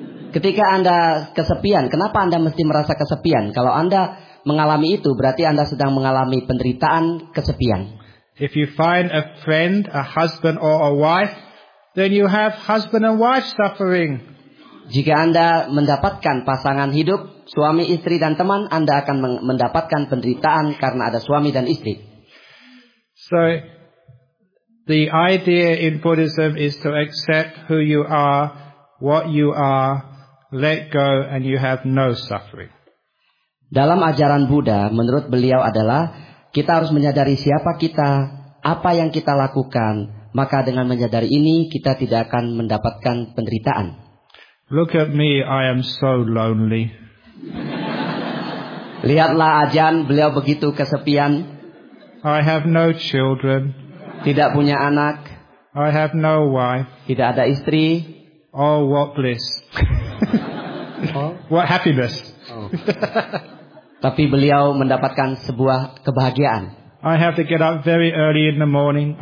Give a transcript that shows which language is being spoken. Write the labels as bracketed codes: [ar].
[id] Ketika Anda kesepian, kenapa Anda mesti merasa kesepian? Kalau Anda mengalami itu, berarti Anda sedang mengalami penderitaan kesepian. [en] If you find a friend, a husband or a wife, then you have husband and wife suffering. [id] Jika Anda mendapatkan pasangan hidup, suami istri dan teman, Anda akan mendapatkan penderitaan karena ada suami dan istri. [en] So the idea in Buddhism is to accept who you are, what you are, let go and you have no suffering. [id] Dalam ajaran Buddha, menurut beliau adalah kita harus menyadari siapa kita, apa yang kita lakukan, maka dengan menyadari ini kita tidak akan mendapatkan penderitaan. [en] Look at me, I am so lonely. [id] Lihatlah Ajahn, beliau begitu kesepian. [en] I have no children. [id] Tidak punya anak. [en] I have no wife. [id] Tidak ada istri. [en] Oh, what bliss. What happiness. [id] Tapi beliau mendapatkan sebuah kebahagiaan. [en] I have to get up very early in the morning.